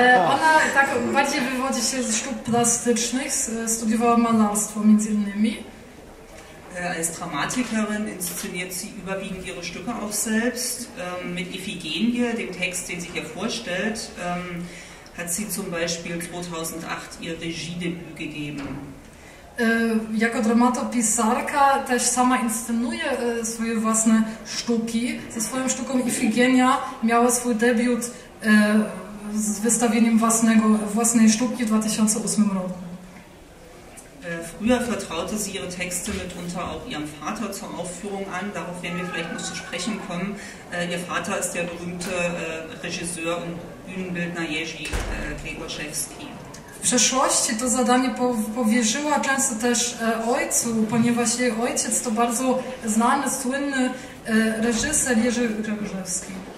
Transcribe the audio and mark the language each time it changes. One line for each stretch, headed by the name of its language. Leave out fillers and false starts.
Polish: Ona tak bardziej wywodzi się ze sztuk plastycznych, studiowała malarstwo między innymi.
German: Als Dramatikerin inszeniert sie überwiegend ihre Stücke auch selbst. Mit Iphigenie, dem Text, den sie hier vorstellt, hat sie zum Beispiel 2008 ihr Regiedebüt gegeben.
Polish: Jako dramatopisarka też sama inscenuje swoje własne sztuki. Ze swoją sztuką Ifigenia miała swój debiut z wystawieniem własnej sztuki w 2008 roku.
German: Früher vertraute sie ihre Texte mitunter auch ihrem Vater zur Aufführung an. Darauf werden wir vielleicht noch zu sprechen kommen. Ihr Vater ist der berühmte Regisseur und Bühnenbildner Jerzy Grzegorzewski.
Polish: W przeszłości to zadanie powierzyła często też ojcu, ponieważ jej ojciec to bardzo znany, słynny reżyser Jerzy Grzegorzewski.